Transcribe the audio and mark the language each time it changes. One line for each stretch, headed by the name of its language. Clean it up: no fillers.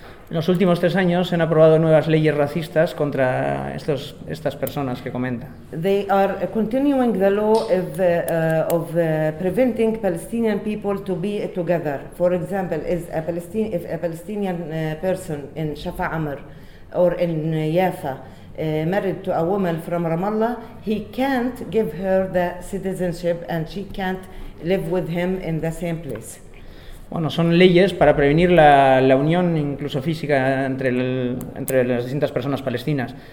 Spanish: En los últimos 3 años se han aprobado nuevas leyes racistas contra estas personas que comenta.
English: They are continuing the law of preventing Palestinian people to be together. For example, if a Palestinian person in Shafa Amr or in Yafa married to a woman from Ramallah, he can't give her the citizenship and she can't live with him in the same place.
Spanish: Bueno, son leyes para prevenir la unión, incluso física, entre las distintas personas palestinas.